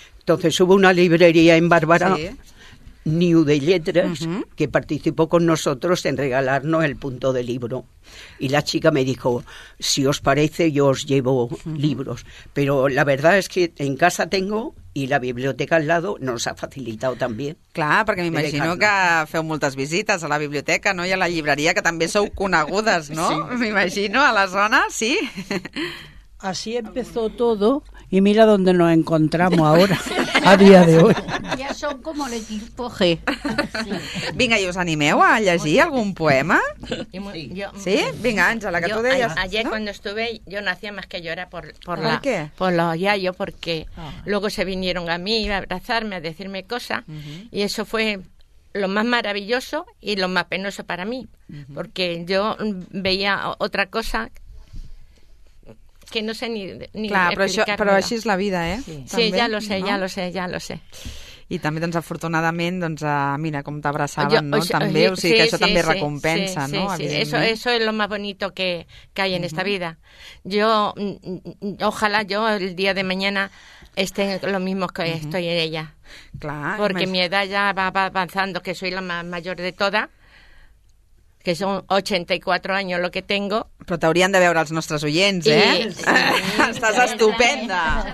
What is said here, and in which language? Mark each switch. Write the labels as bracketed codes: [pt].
[es] Entonces hubo una librería en Bárbara, New de Letras, que participó con nosotros en regalarnos el punto de libro. Y la chica me dijo, si os parece, yo os llevo libros. Pero la verdad es que en casa tengo y la biblioteca al lado nos ha facilitado también. [ca] Clar, perquè m'imagino que feu moltes visites a la biblioteca, no? I a la llibreria, que també sou conegudes, no? Sí. M'imagino, a la zona, sí. [es] Así empezó todo y mira dónde nos encontramos ahora, a día de hoy. Ya son como el equipo G. Sí. [ca] Vinga, i us animeu a llegir algun poema? Sí? Vinga, Àngela, que tu deies... [es] Ayer no? cuando estuve, yo no hacía más que llorar por la... ¿Por qué? Por los yayos, porque luego se vinieron a mí a abrazarme, a decirme cosas, y eso fue lo más maravilloso y lo más penoso para mí, porque yo veía otra cosa... que no sé ni [ca] clar, però així és la vida, eh? Sí, també, sí, ja lo sé, no? Ja lo sé, ja lo sé. I també, doncs, afortunadament, doncs, mira, com t'abraçaven, no? També, o sigui, sí, que això sí, també sí, recompensa, sí, no? [es] Sí, sí, eso, eso es lo más bonito que hay en esta vida. Yo, ojalá yo el día de mañana esté lo mismo que estoy en ella. [ca] Clar. [es] Porque mi edad ya va avanzando, que soy la más mayor de todas. Que son 84 años lo que tengo. [ca] Però t'haurien de veure els nostres oients, eh? Sí, sí, estàs estupenda.